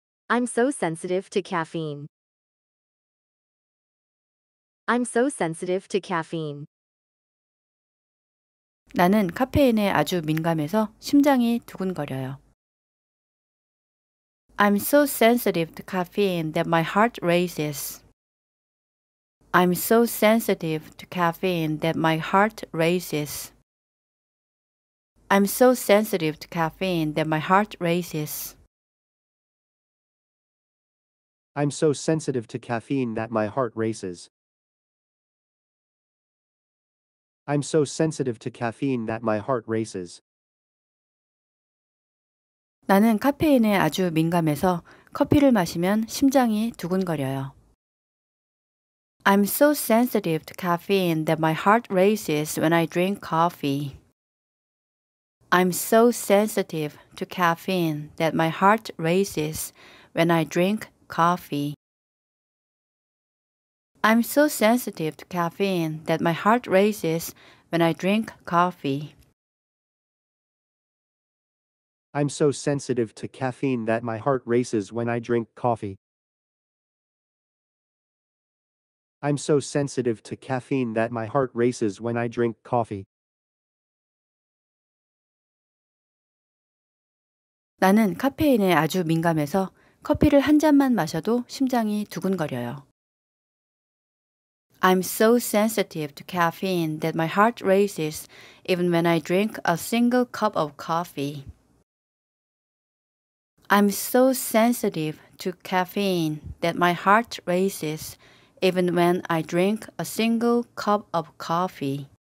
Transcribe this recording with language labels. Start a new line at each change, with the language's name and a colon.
English: I'm so sensitive to caffeine. I'm so sensitive to caffeine.
Korean: 나는 카페인에 아주 민감해서 심장이 두근거려요.
English: I'm so sensitive to caffeine that my heart races. I'm so sensitive to caffeine that my heart races. I'm so sensitive to caffeine that my heart races. I'm so sensitive to caffeine that my heart races. I'm so sensitive to caffeine that my heart races.
Korean: 나는 카페인에 아주 민감해서 커피를 마시면 심장이 두근거려요.
English: I'm so sensitive to caffeine that my heart races when I drink coffee. I'm so sensitive to caffeine that my heart races when I drink coffee. I'm so sensitive to caffeine that my heart races when I drink coffee. I'm so sensitive to caffeine that my heart races when I drink coffee. I'm so sensitive to caffeine that my heart races when I drink coffee.
Korean: 나는 카페인에 아주 민감해서 커피를 한 잔만 마셔도 심장이 두근거려요.
English: I'm so sensitive to caffeine that my heart races even when I drink a single cup of coffee. I'm so sensitive to caffeine that my heart races even when I drink a single cup of coffee.